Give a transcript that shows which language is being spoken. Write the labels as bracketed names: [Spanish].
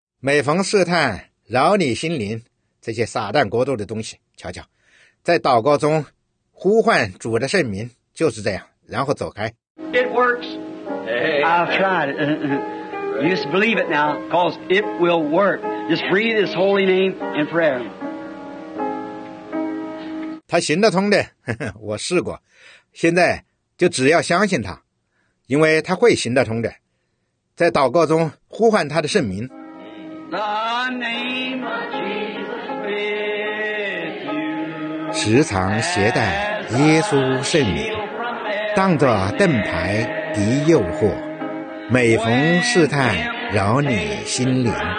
[Chinese] 每逢试探扰你心灵，这些撒旦国度的东西，瞧瞧，在祷告中呼唤主的圣名，就是这样，然后走开。 [English] It works. I've tried it. You just believe it now, because it will work. Just breathe His holy name in prayer. [Chinese] 他行得通的，我试过，现在就只要相信他，因为他会行得通的，在祷告中呼唤他的圣名。 [English] The name of Jesus with you. [Chinese] 时常携带耶稣圣名，当着盾牌敌诱惑，每逢试探扰你心灵。